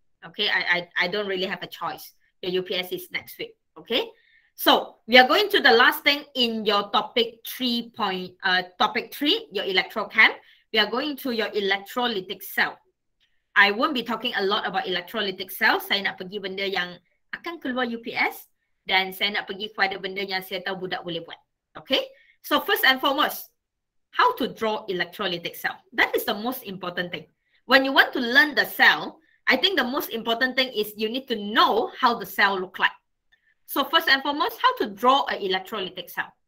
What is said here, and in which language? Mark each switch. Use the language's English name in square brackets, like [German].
[English] Okay, I don't really have a choice. Your UPS is next week. Okay. So we are going to the last thing in your topic three, your electrochem. We are going to your electrolytic cell. I won't be talking a lot about electrolytic cell. [Malay] Saya nak pergi benda yang akan keluar UPS dan saya nak pergi kepada benda yang saya tahu budak boleh buat. [English] Okay? So first and foremost, how to draw electrolytic cell. That is the most important thing. When you want to learn the cell, I think the most important thing is you need to know how the cell look like. So first and foremost, how to draw an electrolytic cell.